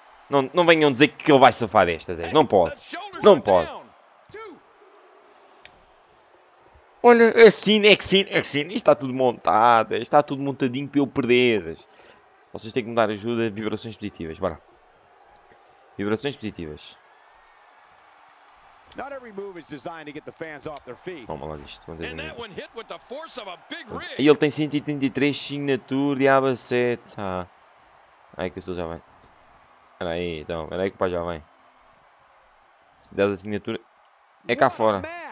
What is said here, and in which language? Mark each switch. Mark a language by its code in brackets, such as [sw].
[pt] Não venham dizer que ele vai safar desta, Zé. Não pode. Não pode. Olha, assim, isto está tudo montado, está tudo montadinho para eu perder. Vocês têm que me dar ajuda, vibrações positivas, bora. Vibrações positivas. [en] Not every move is designed to get the fans off their feet. [pt] Toma lá isto. [en] And that one hit with the force of a big rig. [pt] E ele tem 133 signature de aba 7. Ah. Ai que o seu já vem. Espera aí, então, espera aí que o pai já vem. Se der a signature, é cá fora.